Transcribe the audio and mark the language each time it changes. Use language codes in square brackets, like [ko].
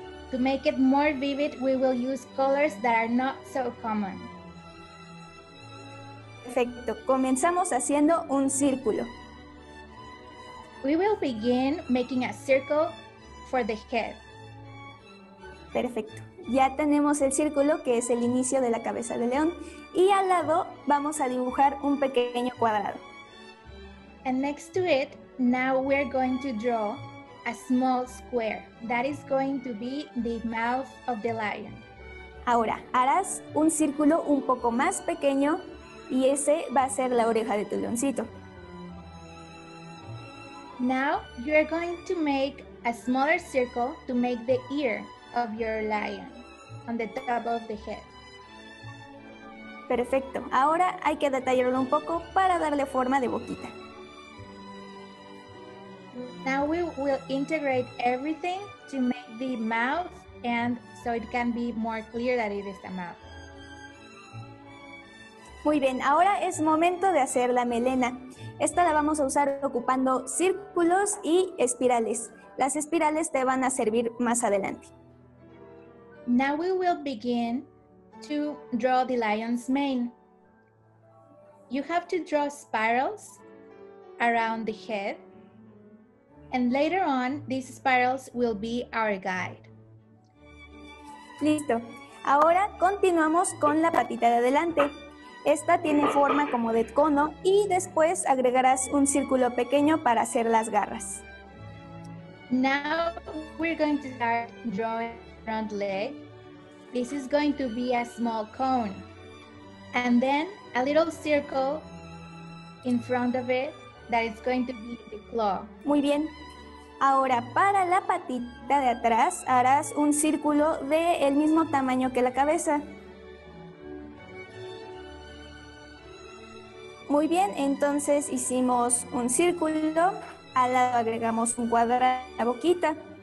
[en] To make it more vivid, we will use colors that are not so common. [es] Perfecto. Comenzamos haciendo un círculo. [en] We will begin making a circle for the head. [es] Perfecto. Ya tenemos el círculo, que es el inicio de la cabeza del león, y al lado vamos a dibujar un pequeño cuadrado. [en] And next to it, now we're going to draw a small square. That is going to be the mouth of the lion. [es] Ahora, harás un círculo un poco más pequeño y ese va a ser la oreja de tu leoncito. [en] Now you're going to make a smaller circle to make the ear of your lion. On the top of the head. [es] Perfecto. Ahora hay que detallarlo un poco para darle forma de boquita. [en] Now we will integrate everything to make the mouth, and so it can be more clear that it is a mouth. [es] Muy bien, ahora es momento de hacer la melena. Esta la vamos a usar ocupando círculos y espirales. Las espirales te van a servir más adelante. [en] Now we will begin to draw the lion's mane. You have to draw spirals around the head, and later on, these spirals will be our guide. [es] Listo. Ahora continuamos con la patita de adelante. Esta tiene forma como de cono y después agregarás un círculo pequeño para hacer las garras. [en] Now we're going to start drawing the front leg. This is going to be a small cone. And then a little circle in front of it that is going to be the claw. [es] Muy bien. Ahora para la patita de atrás harás un círculo del mismo tamaño que la cabeza. Muy bien, entonces hicimos un círculo, al lado agregamos un cuadrado a la boquita.